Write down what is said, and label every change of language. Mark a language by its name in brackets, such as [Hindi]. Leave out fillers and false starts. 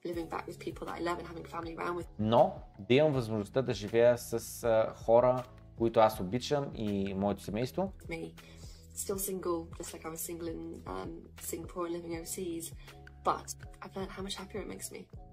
[English] Living back with people that I love and having family around with. [Bulgarian] Но да имам възможността да живея с хора, които аз обичам и моето семейство. [English] Me. Still single, just like I was single in Singapore and living overseas. But I've learned how much happier it makes me.